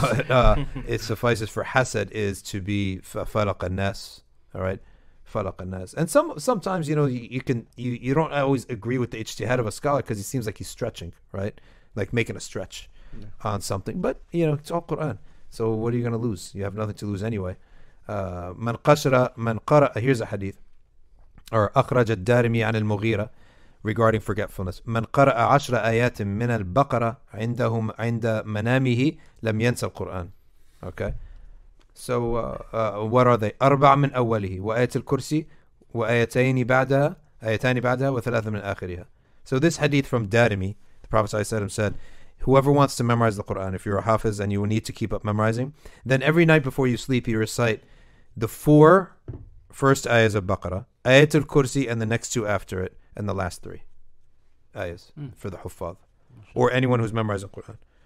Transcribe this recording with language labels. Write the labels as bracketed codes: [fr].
[en] But it suffices for hasad is to be falaq an-nas, all right? Falaq an-nas. And sometimes, you know, you don't always agree with the ijtihad of a scholar because it seems like he's stretching, right? Like making a stretch on something. But, you know, it's all Quran. So what are you going to lose? You have nothing to lose anyway. [ar] من قشرة من قرأ, [en] here's a hadith. Or [ar] أخرج الدارمي عن المغيرة [en] regarding forgetfulness. [ar] من قرأ عشر آيات من البقرة عندهم عند منامه لم ينسى القرآن. [en] Okay. So what are they? [ar] أربع من أوله وآية الكرسي وآيتين بعدها آيتان بعدها وثلاثة من آخرها. [en] So this hadith from Darimi, the Prophet صلى الله عليه وسلم said, whoever wants to memorize the Quran, if you're a hafiz and you need to keep up memorizing, then every night before you sleep, you recite the four first ayahs of Baqarah, ayat al-Kursi, and the next two after it, and the last three ayahs for the Huffaz, or anyone who's memorizing the Quran.